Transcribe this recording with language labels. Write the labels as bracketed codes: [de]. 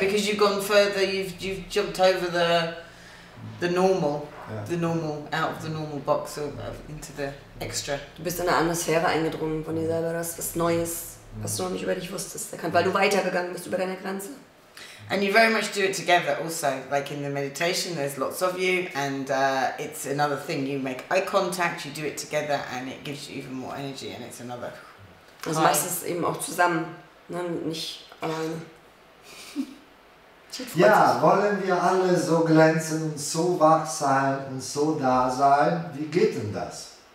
[en] Because you've gone further, you've jumped over the normal. Yeah. The normal, out of the normal box, or into the extra. [de] Du bist in eine andere Sphäre eingedrungen von dir selber, das ist was Neues. was du noch nicht über dich wusstest, erkannt, weil du weitergegangen bist über deine Grenze. [en] And you very much do it together also, like in the meditation there's lots of you and it's another thing, you make eye contact, you do it together and it gives you even more energy and it's another. [de] Also machst du es eben auch zusammen, ne? Nicht alleine. Ja, wollen wir alle so glänzen und so wach sein und so da sein, wie geht denn das?